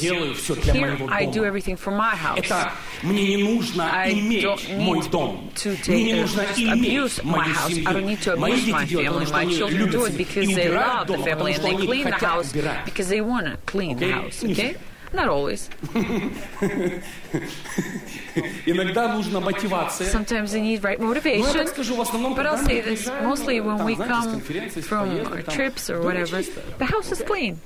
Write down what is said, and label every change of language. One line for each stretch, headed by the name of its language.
English: Here I do everything for my house. I don't need to abuse my house. I don't need to abuse my family. My children do it because they love the family, and they clean the house because they want to clean the house, okay? Not always.
Russian: Иногда нужна мотивация.
English: Sometimes they need right motivation.
Russian: Ну, я так скажу, в основном,
English: but I'll say this, mostly when we come from our trips or whatever, the house is clean.